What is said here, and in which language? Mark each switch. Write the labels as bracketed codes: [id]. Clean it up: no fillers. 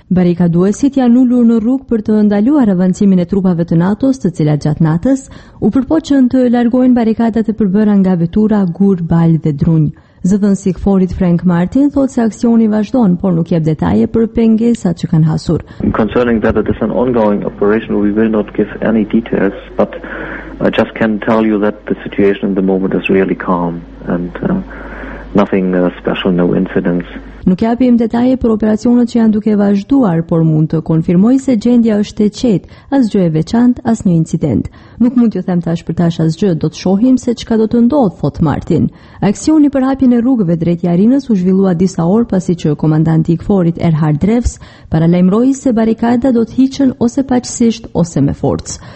[sq] Barrikaduesit janë ulur në rrug për të ndaluar avancimin e trupave të NATO-s, të cilat gjatë natës u përpoqën të largojnë barrikadat e përbëra nga vetura, gur, bal dhe drunj. Zëdhënësi i KFOR-it Frank Martin thotë se aksioni vazhdon, por nuk jep detaje për pengesat që kanë hasur. [en] Concerning that it is an ongoing operation, we will not give any details, but I just can tell you that the situation at the moment is really calm and nothing special, no incidents. [sq] Nuk japim detaje për operacionet që janë duke vazhduar, por mund të konfirmoj se gjendja është e qetë, asgjë e veçantë, asnjë incident. Nuk mund t'ju them tash për tash asgjë, do të shohim se çka do të ndodh, thot Martin. Aksioni për hapjen e rrugëve drejt Jarinës u zhvillua disa orë pasi që komandanti i KFOR-it Erhard Drevs paralajmëroi se barrikada do të hiqen ose paqësisht ose me forcë.